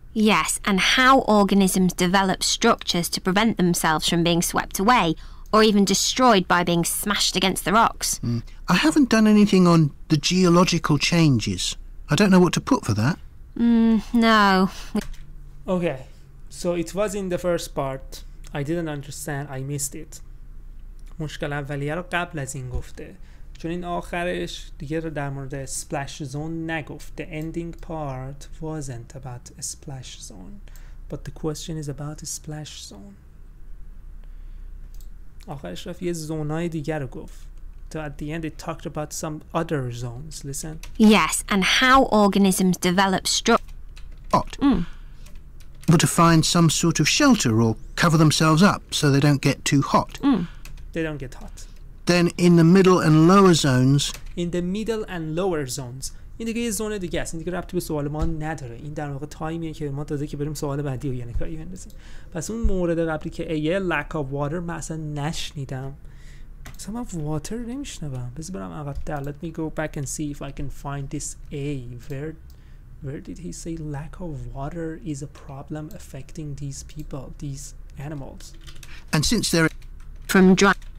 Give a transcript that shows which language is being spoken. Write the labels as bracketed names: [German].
[English] Yes, and how organisms develop structures to prevent themselves from being swept away or even destroyed by being smashed against the rocks. Mm. I haven't done anything on the geological changes. I don't know what to put for that. No. Okay, so it was in the first part. I didn't understand. I missed it. [Persian] مشکل اولیه رو قبل از این گفته. چون این آخرش دیگه رو در مورد [English] splash zone [Persian] نگفت. [English] The ending part wasn't about a splash zone. But the question is about a splash zone. [Persian] آخرش رفت یه زونای دیگر رو گفت. [English] So at the end, it talked about some other zones. Listen. Yes, and how organisms develop hot. But to find some sort of shelter or cover themselves up so they don't get too hot. Mm. They don't get hot. Then in the middle and lower zones. In the middle and lower zones. [Persian] این دیگه یه زون دیگه است. این دیگه ربطی به سوال ما نداره. این در واقع تایمیه که ما داده که بریم سوال بعدی رو یعنی کاری بندازیم. پس اون مورد قبلی که ایه [English] lack of water [Persian] من اصلا نشنیدم. [English] So I'm of water, but I'm about that. Let me go back and see if I can find this A. Where did he say lack of water is a problem affecting these people, these animals? And since they're from dry...